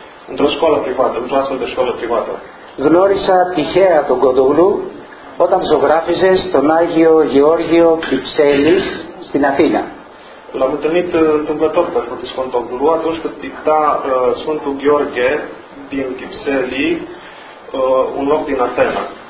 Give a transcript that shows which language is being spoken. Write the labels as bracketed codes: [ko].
[ro] Într-o școală privată, într-o astfel de școală privată. [el] Γνώρισα τυχαία τον Κότογλου όταν ζωγράφιζε στον Άγιο Γεώργιο Κυψέλης στην Αθήνα. [ro] L-am întâlnit întâmplător pe Φώτης Κότογλου atunci când picta Sfântul Gheorghe din Κυψέλη, un loc din Αθήνα.